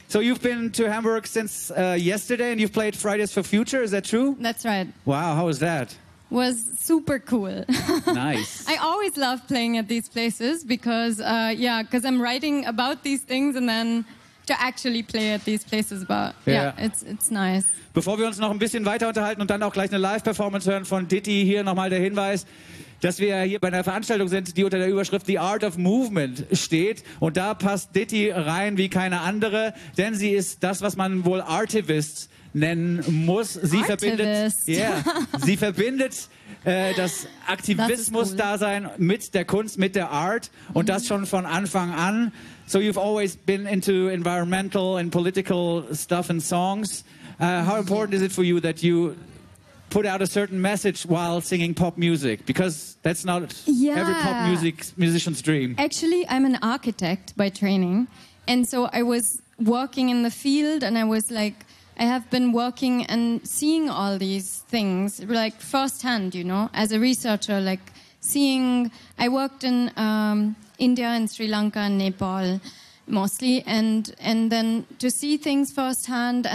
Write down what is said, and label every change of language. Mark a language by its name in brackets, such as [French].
[English] So you've been to Hamburg since yesterday and you've played Fridays for Future. Is that true? That's right. Wow. How was that? Was super cool. Nice. I always love playing at these places because, because I'm writing about these things and then to actually play at these places, but it's nice. [German] Bevor wir uns noch ein bisschen weiter unterhalten und dann auch gleich eine Live-Performance hören von Ditti, hier nochmal der Hinweis, dass wir hier bei einer Veranstaltung sind, die unter der Überschrift The Art of Movement steht. Und da passt Ditti rein wie keine andere, denn sie ist das, was man wohl Artivist nennen muss. Sie verbindet das Aktivismus-Dasein mit der Kunst, mit der Art und das schon von Anfang an. [English] So you've always been into environmental and political stuff and songs. How important is it for you that you put out a certain message while singing pop music? Because that's not every pop music musician's dream. Actually, I'm an architect by training. And so I was working in the field and I was like, I have been working and seeing all these things like firsthand, you know, as a researcher, like seeing, I worked in India and Sri Lanka and Nepal mostly, and then to see things firsthand.